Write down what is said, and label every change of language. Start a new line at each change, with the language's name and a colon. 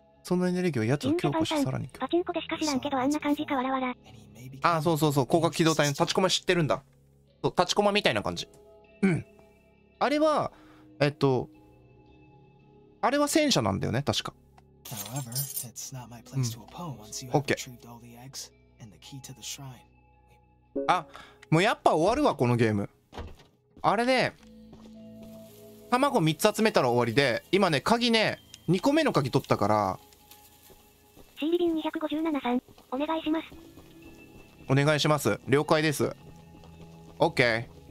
Japanese: そのエネルギーはやつを強化し、さらに。パチンコでしか知らんけど、あんな感じかわらわら。ああ、そうそうそう、高架機動隊の立ちコマ知ってるんだ。そう、立ちコマみたいな感じ。うん。あれは、あれは戦車なんだよね、確か。
English: However, it's not my place to oppose once you have retrieved all the eggs and the key to the shrine.
Japanese: あ、もうやっぱ終わるわこのゲーム。あれで卵3つ集めたら終わりで、今ね鍵ね2個目の鍵取ったから。心理便257さん、お願いします。お願いします。了解です。OK。